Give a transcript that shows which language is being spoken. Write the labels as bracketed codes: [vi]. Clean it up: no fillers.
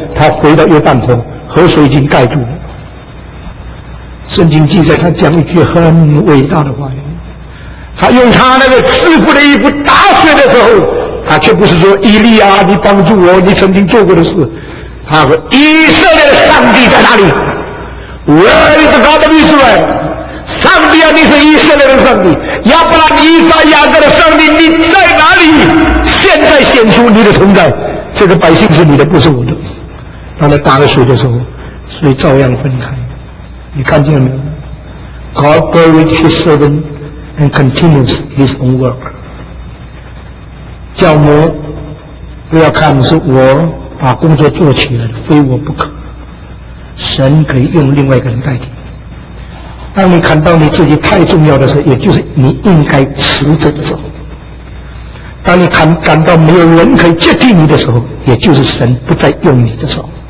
[zh] 他回到约旦河，河水已经盖住了。圣经记载他讲一句很伟大的话，他用他那个师父的衣服打水的时候，他却不是说以利亚你帮助我，你曾经做过的事，他说以色列的上帝在哪里？ [en] Where is the God of Israel? [zh] 上帝啊，你是以色列的上帝，亚伯拉罕以撒雅各的上帝，你在哪里？现在显出你的同在，这个百姓是你的，不是我的。当他打了水的时候，水照样分开，你看见了没有？ [en] God buried his servant and continues his own work. [zh] 教母不要看是我把工作做起来，非我不可，神可以用另外一个人代替。当你看到你自己太重要的时候，也就是你应该辞职的时候，当你感到没有人可以接替你的时候，也就是神不再用你的时候。